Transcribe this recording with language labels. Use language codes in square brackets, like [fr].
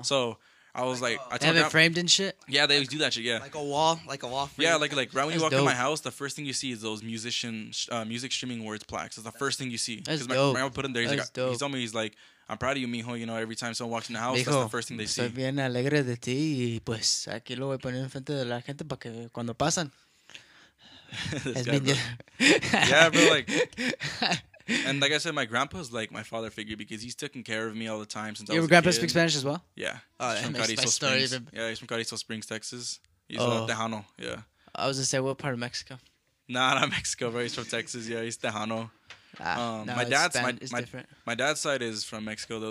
[en] So... I was like, I have it framed and shit. Yeah, they always do that shit. Yeah, like a wall. Frame. Yeah, like right when you walk in my house, the first thing you see is those music streaming awards plaques. It's the first thing you see. That's dope. Because my grandma put them there. He told me, he's like, I'm proud of you, mijo. You know, every time someone walks in the house, that's the first thing they see. [es] Estoy bien alegre de ti, y pues aquí lo voy a poner enfrente de la gente para que cuando pasan. [en] bro, like. And like I said, my grandpa's like my father figure because he's taking care of me all the time since your I was a kid. Your grandpa speaks Spanish as well? Yeah. He's from Carrizo Springs, Texas. He's Tejano, yeah. I was going to say, what part of Mexico? Nah, not Mexico, bro. He's from Texas, yeah. He's Tejano. My dad's side is from Mexico, though.